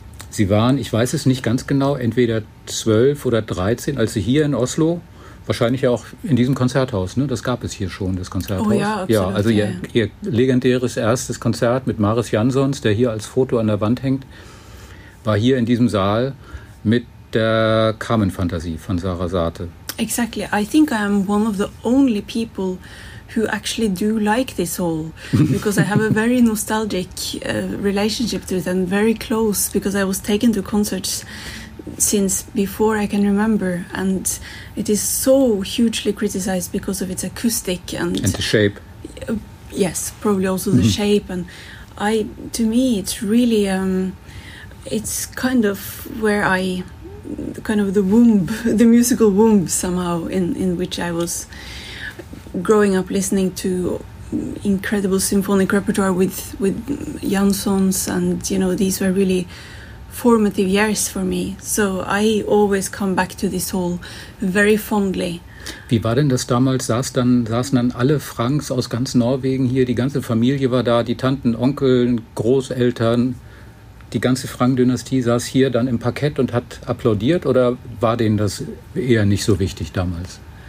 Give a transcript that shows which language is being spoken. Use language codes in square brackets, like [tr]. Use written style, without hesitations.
[de] Sie waren, ich weiß es nicht ganz genau, entweder 12 oder 13, als Sie hier in Oslo, wahrscheinlich auch in diesem Konzerthaus, ne? Das gab es hier schon, das Konzerthaus. Oh ja, absolut. Ja, also ihr legendäres erstes Konzert mit Maris Jansons, der hier als Foto an der Wand hängt, war hier in diesem Saal mit der Carmen-Fantasie von Sarah Saate. [en] Exactly. I think I am one of the only people who actually do like this hall, because I have a very nostalgic relationship to it and very close, because I was taken to concerts since before I can remember, and it is so hugely criticized because of its acoustic and the shape. Yes, probably also the shape. And to me, it's really it's kind of where I, kind of the womb, the musical womb somehow in which I was growing up, listening to incredible symphonic repertoire with Jansons, and you know, these were really formative years for me, so I always come back to this hall very fondly. [de] Wie war denn das damals? Saßen dann alle Franks aus ganz Norwegen hier, die ganze Familie war da, die Tanten, Onkel, Großeltern, die ganze Frank-Dynastie saß hier dann im Parkett und hat applaudiert, oder war denen das eher nicht so wichtig damals?